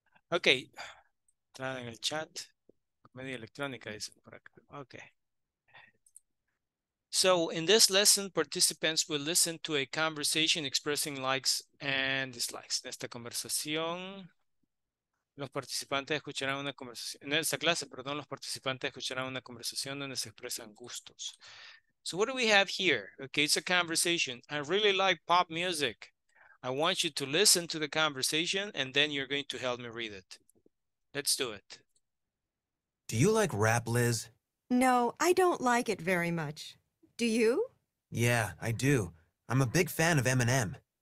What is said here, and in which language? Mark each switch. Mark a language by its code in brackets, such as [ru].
[es] Okay, entrada en el chat, comedia electrónica dice por acá. Okay. [en] So in this lesson, participants will listen to a conversation expressing likes and dislikes. [es] En esta conversación, los participantes escucharán una conversación. En esta clase, perdón, los participantes escucharán una conversación donde se expresan gustos. [en] So what do we have here? Okay, it's a conversation. I really like pop music. I want you to listen to the conversation and then you're going to help me read it. Let's do it. Do you like rap, Liz? No, I don't like it very much. Do you? Yeah, I do. I'm a big fan of Eminem.